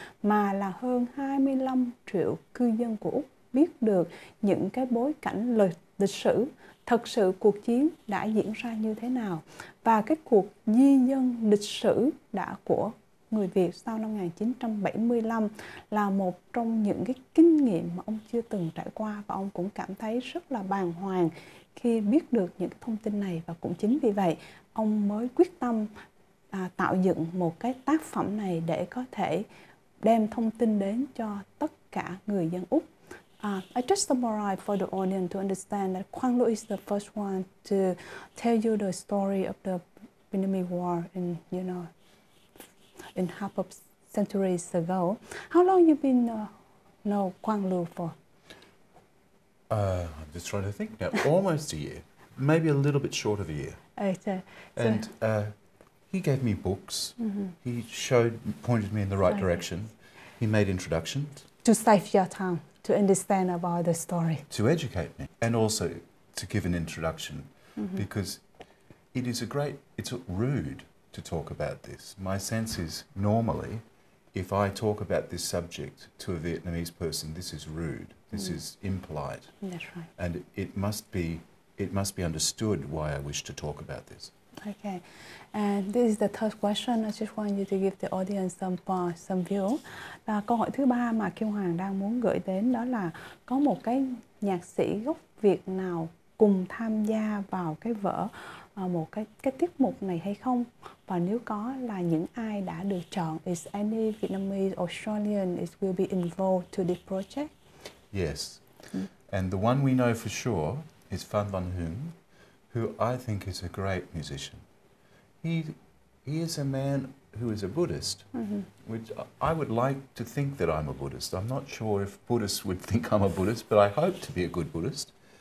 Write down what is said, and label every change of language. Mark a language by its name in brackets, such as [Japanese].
[Vietnamese] mà là hơn 25 triệu cư dân của Úc biết được những cái bối cảnh lịch sử thật sự cuộc chiến đã diễn ra như thế nào và cái cuộc di dân lịch sử đã của người Việt sau năm 1975 là một trong những cái kinh nghiệm mà ông chưa từng trải qua và ông cũng cảm thấy rất là bàng hoàng khi biết được những thông tin này và cũng chính vì vậy ông mới quyết tâm tạo dựng một cái tác phẩm này để có thể đem thông tin đến cho tất cả người dân Úc. [English] I just summarize for the audience to understand that Quang Lu is the first one to tell you the story of the Vietnamese War in, you know, in half of centuries ago. How long you been know Quang Lu for? I'm just trying to think now. Almost a year, maybe a little bit short of a year. Okay. And he gave me books. Mm-hmm. He pointed me in the right direction. He made introductions. To save your time. To understand about the story. To educate me and also to give an introduction mm-hmm. because it is rude to talk about this. My sense is normally if I talk about this subject to a Vietnamese person, this is rude, this is impolite. That's right. And it must be understood why I wish to talk about this. Okay, and this is the third question. I just want you to give the audience some view. [Vietnamese] Và câu hỏi thứ ba mà Kim Hoàng đang muốn gửi đến đó là có một cái nhạc sĩ gốc Việt nào cùng tham gia vào cái vở một cái tiết mục này hay không? Và nếu có là những ai đã được chọn? [English] Is any Vietnamese Australian is will be involved to this project? Yes, and the one we know for sure is Phan Văn Hưng. Who I think is a great musician. He is a man who is a Buddhist, mm-hmm. which I would like to think that I'm a Buddhist. I'm not sure if Buddhists would think I'm a Buddhist, but I hope to be a good Buddhist.